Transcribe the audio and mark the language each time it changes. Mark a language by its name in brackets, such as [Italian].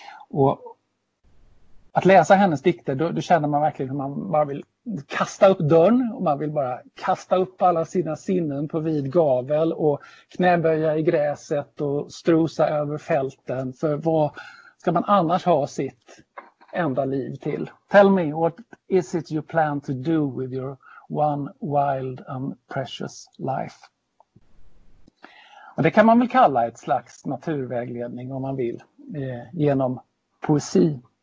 [Swedish] Och att läsa hennes dikter, då känner man verkligen att man bara vill kasta upp dörren. Och man vill bara kasta upp alla sina sinnen på vid gavel och knäböja i gräset och strosa över fälten. För vad ska man annars ha sitt enda liv till? [English] Tell me, what is it you plan to do with your one wild and precious life? [Swedish] Och det kan man väl kalla ett slags naturvägledning om man vill, genom poesi.